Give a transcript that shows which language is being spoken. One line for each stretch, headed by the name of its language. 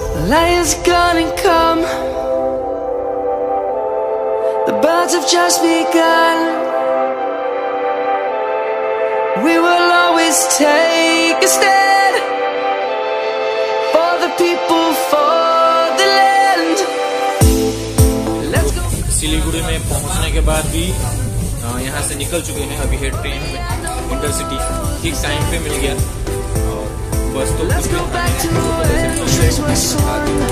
English: Lion's gonna come, the birds have just begun. We will always take a stand for the people, for the land.
Hindi: Siliguri में पहुंचने के बाद भी यहां से निकल चुके हैं। अभी है ट्रेन में इंटरसिटी, ठीक टाइम पे मिल गया। बस तो
English: Let's go back to where the trees were sworn.